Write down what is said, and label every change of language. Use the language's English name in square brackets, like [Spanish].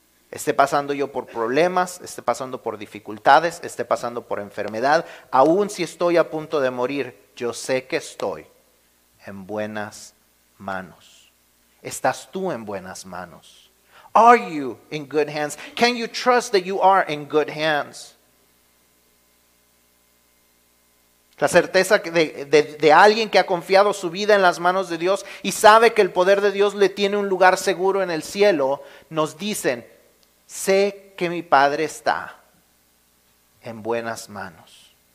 [Spanish] Esté pasando yo por problemas, esté pasando por dificultades, esté pasando por enfermedad, aún si estoy a punto de morir, yo sé que estoy en buenas manos. ¿Estás tú en buenas manos? [English] Are you in good hands? Can you trust that you are in good hands? [Spanish] La certeza de alguien que ha confiado su vida en las manos de Dios y sabe que el poder de Dios le tiene un lugar seguro en el cielo, nos dicen, sé que mi Padre está en buenas manos.